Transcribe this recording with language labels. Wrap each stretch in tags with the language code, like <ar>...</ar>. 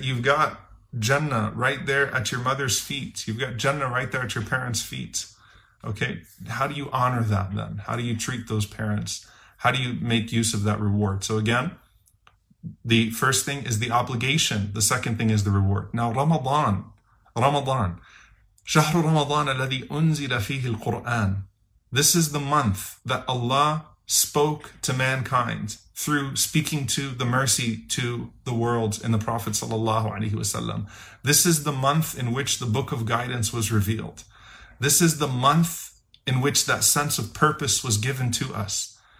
<en>You've got Jannah right there at your mother's feet. You've got Jannah right there at your parents' feet. Okay. How do you honor that then? How do you treat those parents? How do you make use of that reward? So again, the first thing is the obligation. The second thing is the reward. Now Ramadan.</en> <ar>شهر رمضان الذي أنزل فيه القرآن.</ar> <en>This is the month that Allah spoke to mankind through speaking to the mercy to the world in the Prophet sallallahu alaihi wasallam. This is the month in which the book of guidance was revealed. This is the month in which that sense of purpose was given to us.</en>